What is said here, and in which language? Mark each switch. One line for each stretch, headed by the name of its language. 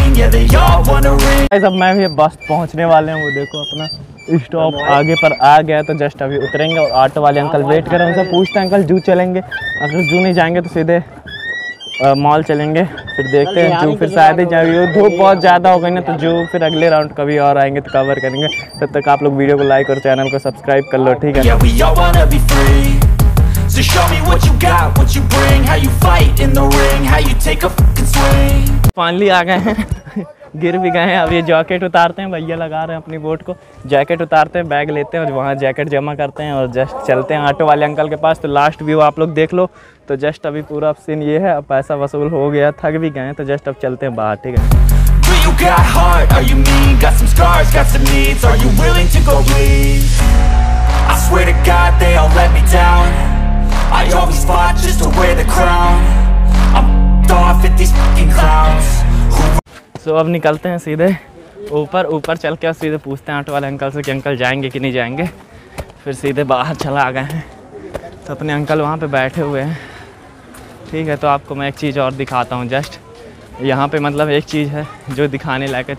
Hindi: अब मैं भी बस पहुंचने वाले हैं, वो देखो अपना स्टॉप आगे पर आ गया, तो जस्ट अभी उतरेंगे और ऑटो वाले अंकल वेट कर रहे हैं, उनसे पूछते हैं अंकल जू चलेंगे, अगर जू नहीं जाएंगे तो सीधे मॉल चलेंगे, फिर देखते हैं जू फिर शायद ही जाएंगे, धूप बहुत ज़्यादा हो गई ना, तो जू फिर अगले राउंड कभी और आएंगे तो कवर करेंगे। तब तक आप लोग वीडियो को लाइक और चैनल को सब्सक्राइब कर लो, ठीक है।
English: So show me what you got, what you bring, how you fight in the ring, how you take a f***ing swing.
Hindi: Finally आ गए हैं, गिर भी गए हैं, अब ये जैकेट उतारते हैं, भैया लगा रहे हैं अपनी बोट को, जैकेट उतारते हैं, बैग लेते हैं और वहाँ जैकेट जमा करते हैं और जस्ट चलते हैं ऑटो वाले अंकल के पास। तो लास्ट व्यू आप लोग देख लो, तो जस्ट अभी पूरा सीन ये है, अब पैसा वसूल हो गया, थक भी गए हैं, तो जस्ट अब चलते हैं बाहर, ठीक है।
English: Do you got heart? Are you mean? Got some scars, got some needs. Are you willing to go bleed? I swear to God they all let me down. I always fought just to wear the crown. I'm off at these f***ing clowns.
Hindi: सो अब निकलते हैं सीधे ऊपर, ऊपर चल के सीधे पूछते हैं ऑटो वाले अंकल से कि अंकल जाएंगे कि नहीं जाएंगे। फिर सीधे बाहर चला आ गए हैं तो अपने अंकल वहाँ पे बैठे हुए हैं। ठीक है, तो आपको मैं एक चीज़ और दिखाता हूँ जस्ट यहाँ पे, मतलब एक चीज़ है जो दिखाने लायक है।